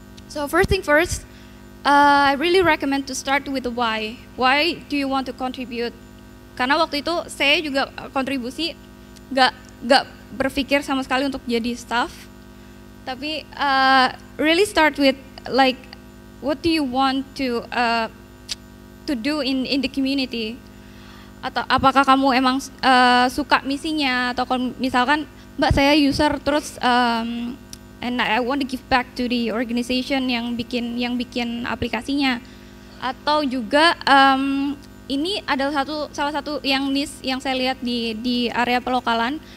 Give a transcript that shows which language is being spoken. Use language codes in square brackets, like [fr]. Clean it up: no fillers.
[en] So first thing first, I really recommend to start with the why. Why do you want to contribute? [id] Karena waktu itu saya juga kontribusi, gak berpikir sama sekali untuk jadi staff. [en] Tapi really start with like, what do you want to do in the community? [id] Atau apakah kamu emang suka misinya? Atau kalau misalkan, mbak saya user terus, [en] and I want to give back to the organization [id] yang bikin aplikasinya. Atau juga ini adalah salah satu yang miss yang saya lihat di area pelokalan.